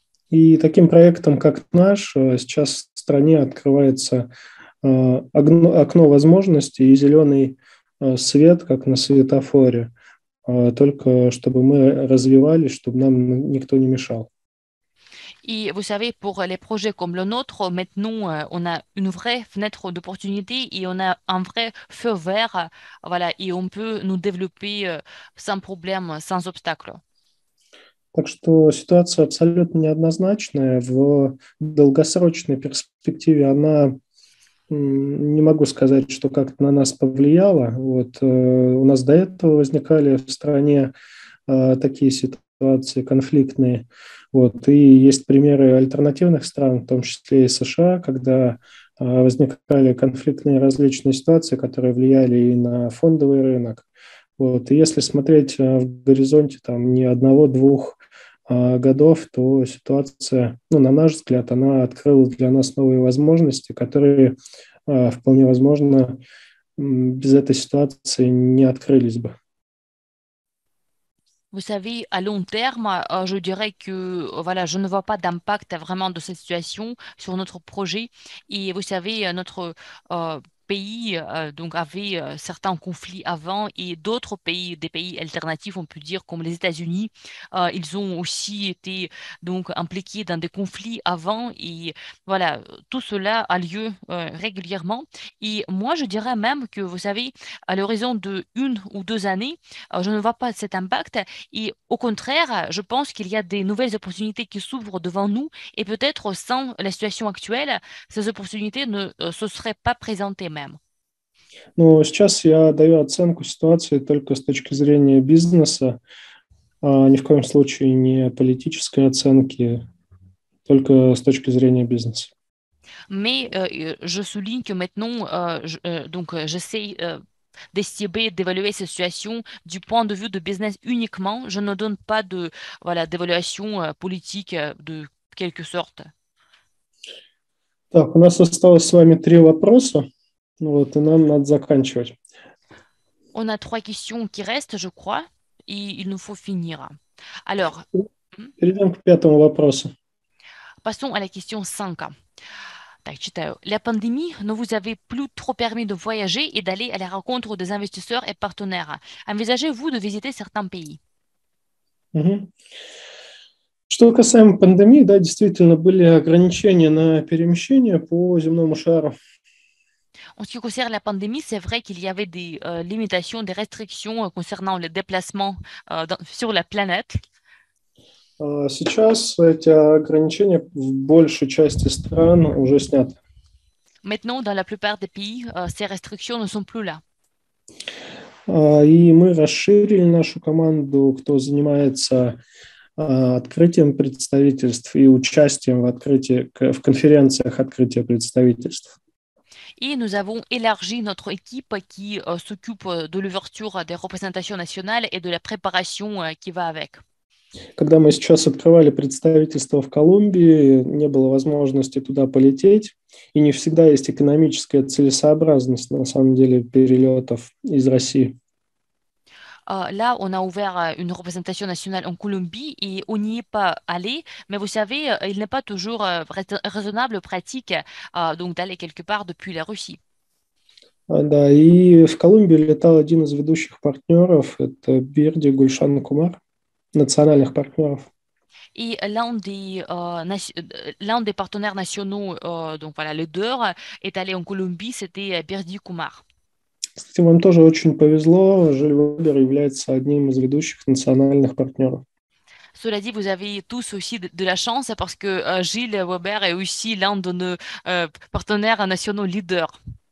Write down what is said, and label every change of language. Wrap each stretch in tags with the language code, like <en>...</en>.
<ru>Et таким проектом, как наш, сейчас в стране открывается окно возможностей и зеленый свет, как на светофоре, только чтобы мы развивались, чтобы нам никто не мешал. И, вы знаете,</ru> <fr>pour les projets comme le nôtre, maintenant on a une vraie fenêtre d'opportunité et on a un vrai feu vert, voilà, et on peut nous développer sans problème, sans obstacle.</fr> <ru>Так что ситуация абсолютно неоднозначная. В долгосрочной перспективе она не могу сказать, что как-то на нас повлияло. Вот, у нас до этого возникали в стране такие ситуации конфликтные. Вот, и есть примеры альтернативных стран, в том числе и США, когда возникали конфликтные различные ситуации, которые влияли и на фондовый рынок. Вот, и если смотреть в горизонте там, не одного-двух годов, то ситуация, ну, на наш взгляд, она открыла для нас новые возможности, которые вполне возможно без этой ситуации не открылись бы.</ru> <fr>Vous savez, à long terme, je dirais que voilà, je ne vois pas d'impact vraiment de cette situation sur notre projet. Et vous savez, notre pays donc avait certains conflits avant et d'autres pays, des pays alternatifs, on peut dire, comme les États-Unis, ils ont aussi été donc impliqués dans des conflits avant. Et voilà, tout cela a lieu régulièrement. Et moi, je dirais même que, vous savez, à l'horizon de une ou deux années, je ne vois pas cet impact. Et au contraire, je pense qu'il y a des nouvelles opportunités qui s'ouvrent devant nous. Et peut-être sans la situation actuelle, ces opportunités ne se seraient pas présentées.</fr> <ru>Ну, сейчас я даю оценку ситуации только с точки зрения бизнеса, ни в коем случае не политической оценки, только с точки зрения бизнеса.</ru> <fr>Mais je souligne que maintenant, donc j'essaie d'estimer, d'évaluer cette situation du point de vue de business uniquement. Je ne donne pas de, voilà, d'évaluation politique de quelque sorte.</fr> <ru>Так, у нас осталось с вами три вопроса. Ну вот, и нам надо заканчивать.</ru> <fr>On a trois questions qui restent, je crois, et il nous faut finir. Alors,</fr> <ru>перейдем к пятому вопросу.</ru> <fr>Passons à la question 5.</fr> <ru>Так, читаю.</ru> <fr>La pandémie ne vous avait plus trop permis de voyager et d'aller à la rencontre des investisseurs et partenaires. Envisagez-vous de visiter certains pays?</fr> <ru>Что касаемо пандемии, да, действительно, были ограничения на перемещение по земному шару.</ru> <fr>En ce qui concerne la pandémie, c'est vrai qu'il y avait des limitations, des restrictions concernant les déplacements sur la planète.</fr> <ru>Сейчас эти ограничения в большей части стран уже сняты.</ru> <fr>Maintenant, dans la plupart des pays, ces restrictions ne sont plus là.</fr> <ru>И мы расширили нашу команду, кто занимается открытием представительств и участием в открытии в конференциях открытия представительств.</ru> <fr>Et nous avons élargi notre équipe qui s'occupe de l'ouverture des représentations nationales et de la préparation qui va avec.</fr> <ru>Когда мы сейчас открывали представительство в Колумбии, не было возможности туда полететь, и не всегда есть экономическая целесообразность, на самом деле, перелетов из России.</ru> <fr>Là, on a ouvert une représentation nationale en Colombie et on n'y est pas allé. Mais vous savez, il n'est pas toujours raisonnable, pratique, donc d'aller quelque part depuis la Russie.</fr> <ru>Да, и в Колумбии летал один из ведущих партнеров, это Бирди Гульшан Кумар, национальных партнеров.</ru> <fr>Et l'un des partenaires nationaux, donc voilà, leader, est allé en Colombie, c'était Бирди Кумар.</fr> <ru>Кстати, вам тоже очень повезло, Жюль Вебер является одним из ведущих национальных партнеров.</ru> <fr>Cela dit, vous avez tous aussi de la chance parce que Жюль Вебер est aussi l'un de nos partenaires nationaux leaders.</fr>